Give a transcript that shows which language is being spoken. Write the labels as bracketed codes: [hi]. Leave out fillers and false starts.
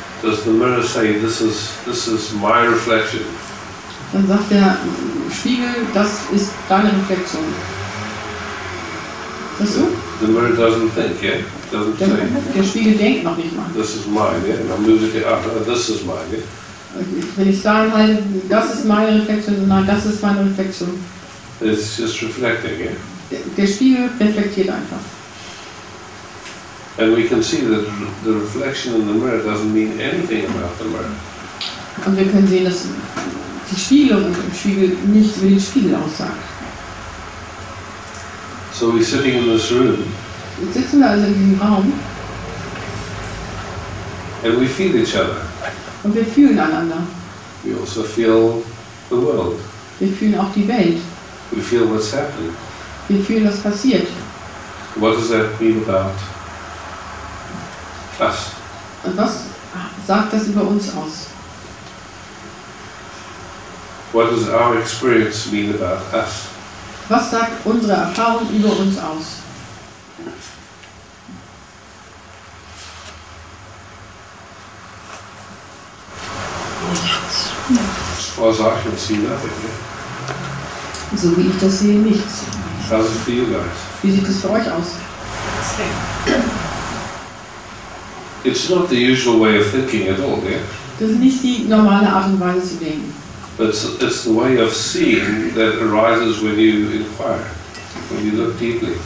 [en] does the mirror say this is my reflection? [de] Dann sagt der Spiegel, das ist deine Reflektion. Ist das so? [en] The mirror doesn't think, yeah? Doesn't [de] der, say. Der Spiegel denkt noch nicht mal. [en] This is mine, yeah? And I move it up, this is mine, yeah? [de] Wenn ich sage, halt, das ist meine Reflexion, nein, das ist meine Reflexion. [en] It's just reflecting, yeah? [de] Der Spiegel reflektiert einfach. [en] And we can see that the reflection in the mirror doesn't mean anything about the mirror. [de] Und wir können sehen, dass die Spiegelung im Spiegel nicht über den Spiegel aussagt. [en] So we're sitting in this room. [de] Jetzt sitzen wir also in diesem Raum. [en] And we feel each other. [de] Und wir fühlen einander. [en] We also feel the world. [de] Wir fühlen auch die Welt. [en] We feel what's happening. [de] Wir fühlen, was passiert. [en] What does that mean about us? [de] Und was sagt das über uns aus? [en] What does our experience mean about us? [de] Was sagt unsere Erfahrung über uns aus? [en] As I can see nothing. Yeah. [de] So wie ich das sehe, nichts. [en] How's it for you guys? [de] Wie sieht es für euch aus? [en] It's not the usual way of thinking at all, yeah? [de] Das ist nicht die normale Art und Weise zu denken. [en] But it's the way of seeing that arises when you inquire, when you look deeply.